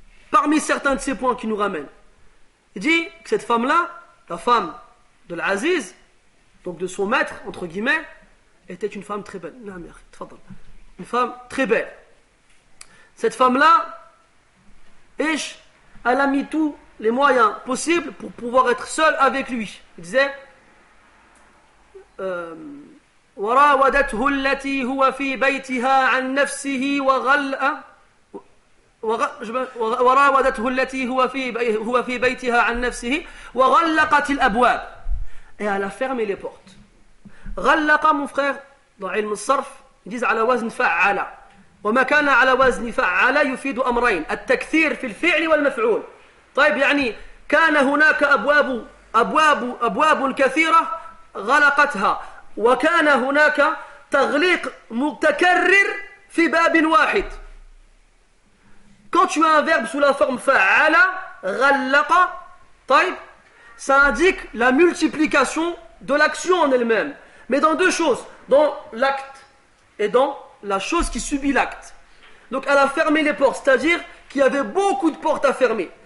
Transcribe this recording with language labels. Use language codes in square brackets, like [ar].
[fr] Parmi certains de ces points qui nous ramènent, il dit que cette femme-là, la femme de l'Aziz, donc de son maître, entre guillemets, était une femme très belle. Une femme très belle. Cette femme-là, elle a mis tout les moyens possibles pour pouvoir être seul avec lui. Il disait [ar] وَرَاوَدَتْهُ الَّتِي هُوَ فِي بَيْتِهَا عَنْ نَفْسِهِ وَغَلَّ وَرَاوَدَتْهُ الَّتِي هُوَ فِي بَيْتِهَا عَنْ نَفْسِهِ وَغَلَّقَتِ الْأَبْوَابِ. [fr] Et elle a fermé les portes. [ar] غَلَّقَ, [fr] mon frère, dans ilm al-sarf, ils disent [ar] عَلَى وَزْنِ فَعَلَى وَمَا كَانَ عَلَى وَزْنِ فَعَلَى يُفِيدُ أَمْرَيْن التَّكْثِيرُ فِي الْفِعْلِ وَالْمَفْعُولِ. طيب يعني كان هناك أبواب أبواب أبواب كثيرة غلقتها وكان هناك تغليق متكرر في باب واحد. [fr] Quand tu as un verbe sous la forme فعل غلق, طيب, ça indique la multiplication de l'action en elle-même, mais dans deux choses, dans l'acte et dans la chose qui subit l'acte. Donc elle a fermé les portes, c'est-à-dire qu'il y avait beaucoup de portes à fermer.